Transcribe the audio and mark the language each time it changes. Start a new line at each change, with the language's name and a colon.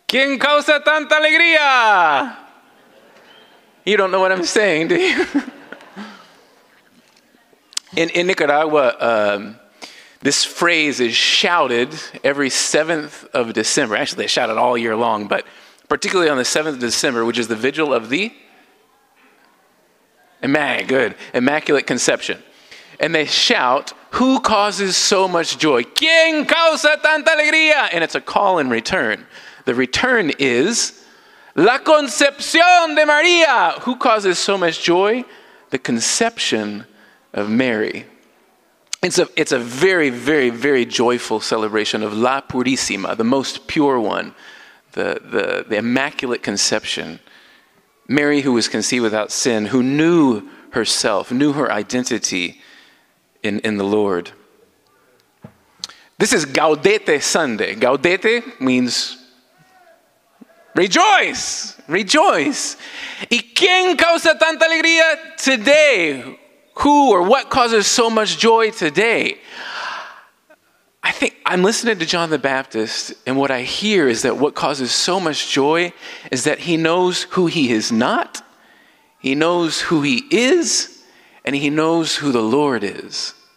Spanish: ¿Quién causa tanta alegría?
English: You don't know what I'm saying, do you? In Nicaragua, this phrase is shouted every 7th of December. Actually, they shout it all year long, but particularly on the 7th of December, which is the vigil of the Immaculate Conception. And they shout, who causes so much joy?
Spanish: ¿Quién causa tanta alegría?
English: And it's a call in return. The return is
Spanish: La Concepción de María.
English: Who causes so much joy? The conception of Mary. It's a very, very, very joyful celebration of La Purísima, the most pure one, the Immaculate Conception. Mary, who was conceived without sin, who knew herself, knew her identity in the Lord. This is Gaudete Sunday. Gaudete means rejoice, rejoice.
Spanish: ¿Y quién causa tanta alegría today?
English: Who or what causes so much joy today? I think I'm listening to John the Baptist, and what I hear is that what causes so much joy is that he knows who he is not, he knows who he is, and he knows who the Lord is.